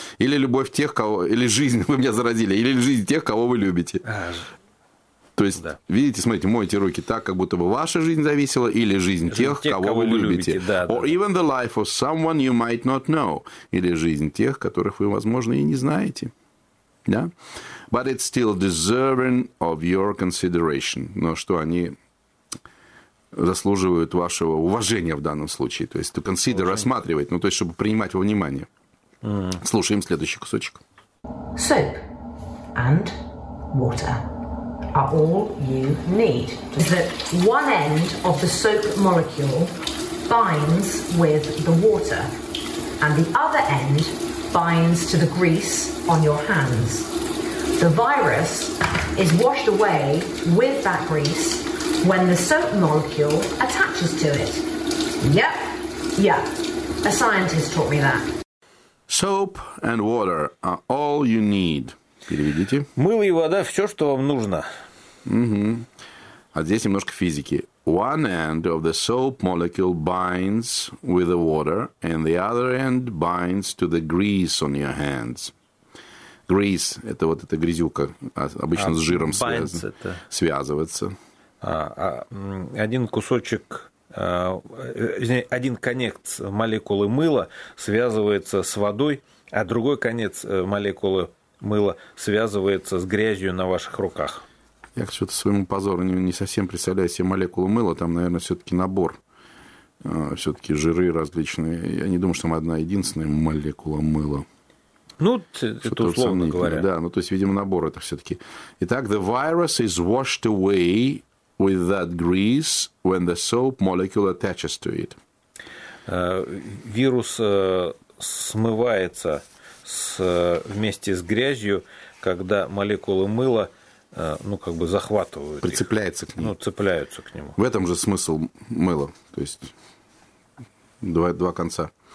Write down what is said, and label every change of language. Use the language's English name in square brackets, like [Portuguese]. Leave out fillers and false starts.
[Russian] Или любовь тех, кого... Или жизнь, вы меня заразили. Или жизнь тех, кого вы любите. То есть, да. Видите, смотрите, мойте руки так, как будто бы ваша жизнь зависела, или жизнь тех, кого вы любите. Да, [English] Or [Russian] да, [English] even [Russian] да. [English] the life of someone you might not know. [Russian] Или жизнь тех, которых вы, возможно, и не знаете. Да? [English] But it's still deserving of your consideration. [Russian] Но что они заслуживают вашего уважения в данном случае. То есть, [English] to consider, [Russian] уважение. Рассматривать, ну, то есть, чтобы принимать во внимание. Mm. Слушаем следующий кусочек. [English] Soap and water. Are all you need. That one end of the soap molecule binds with the water, and the other end binds to the grease on your hands. The virus is washed away with that grease when the soap molecule attaches to it. Yep, yeah. A scientist taught me that. Soap and water are all you need. [Russian] Переведите. Мыло и вода все, что вам нужно. Угу. А здесь немножко физики. [English] One end of the soap molecule binds with the water, and the other end binds to the grease on your hands. [Russian] Grease – это вот эта грязюка, обычно с жиром связывается. Один кусочек, один конец молекулы мыла связывается с водой, а другой конец молекулы мыла связывается с грязью на ваших руках. Я что-то своему позору не совсем представляю себе молекулу мыла. Там, наверное, все-таки набор. Все-таки жиры различные. Я не думаю, что там одна единственная молекула мыла. Ну, это условно говоря. Да, ну, то есть, видимо, набор это все-таки. Итак, [English] the virus is washed away with that grease when the soap molecule attaches to it. [Russian] Вирус смывается вместе с грязью, когда молекулы мыла... ну, как бы захватывают. Прицепляется их. К нему. Ну, цепляются к нему. В этом же смысл мыла, то есть два конца.